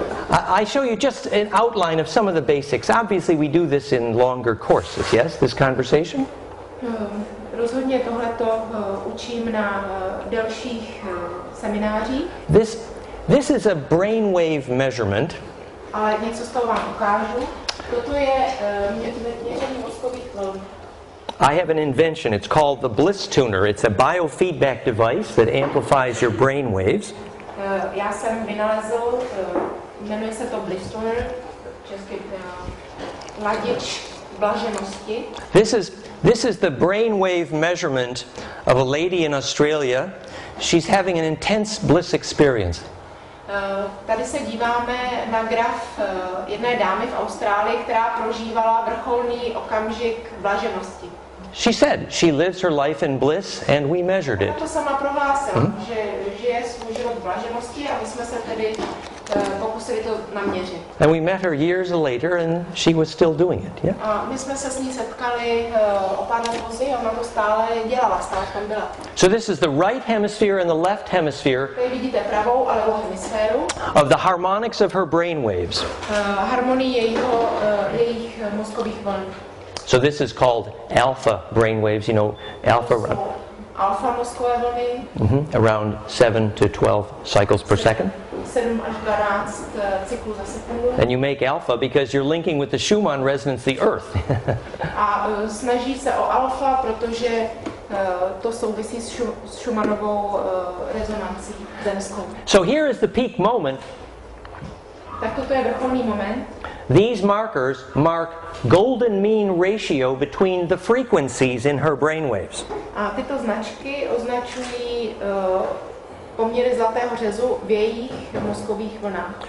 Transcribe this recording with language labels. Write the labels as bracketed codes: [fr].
[en] I show you just an outline of some of the basics. Obviously, we do this in longer courses. Yes, this conversation. [cs] Rozhodně tohleto učím na dalších seminářích. [en] This is a brainwave measurement. [cs] Ale něco z toho vám ukážu. Toto je měření mozkových vln. [en] I have an invention. It's called the Bliss Tuner. It's a biofeedback device that amplifies your brain waves. [cs] Já jsem vynalezl, jmenuje se to Bliss Tuner, český ladič blaženosti. [en] This is the brain wave measurement of a lady in Australia. She's having an intense bliss experience. [cs] Tady se díváme na graf jedné dámy v Austrálii, která prožívala vrcholný okamžik blaženosti. [en] She said she lives her life in bliss and we measured it. [cs] To sama prohlásila, že žije svůj život v blaženosti a my jsme se tedy pokusili to naměřit. [en] And we met her years later and she was still doing it. Yeah. [cs] A my jsme se s ní setkali o pár let později a ona to stále dělala, stále tam byla. [en] So this is the right hemisphere and the left hemisphere. [cs] Tady vidíte pravou a levou hemisféru. [en] Of the harmonics of her brain waves. [cs] Harmonie jejich mozkových vln. [en] So this is called alpha brain waves, you know, alpha. [cs] Alpha mozkové vlny. Mm-hmm, [en] around 7 to 12 cycles per second. [cs] 7 až 12 cyklů za sekundu. [en] And you make alpha because you're linking with the Schumann resonance, the earth. [cs] A snaží se o alpha, protože to souvisí s Schumannovou rezonancí zemskou. [en] So here is the peak moment. [cs] Tak toto je vrcholný moment. [en] These markers mark golden mean ratio between the frequencies in her brainwaves. [cs] A tyto značky označují poměry zlatého řezu v jejich mozkových vlnách.